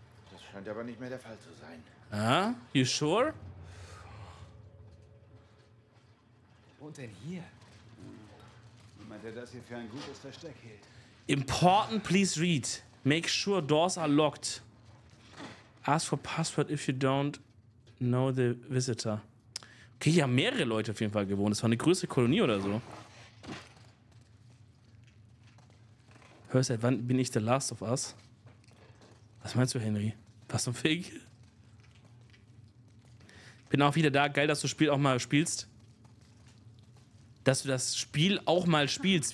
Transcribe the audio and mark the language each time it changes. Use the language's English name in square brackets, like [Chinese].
[German] Das scheint aber nicht mehr der Fall zu sein. [English] Ah, you sure? [German] Wohnt denn hier? Jemand, der das hier für ein gutes Versteck hielt. [English] Important, please read. Make sure doors are locked. Ask for password if you don't know the visitor. [German] Okay, hier haben mehrere Leute auf jeden Fall gewohnt. Das war eine größere Kolonie oder so. Hör, seit wann bin ich the last of us? Was meinst du, Henry? Was zum Fick? Bin auch wieder da. Geil, dass du das Spiel auch mal spielst.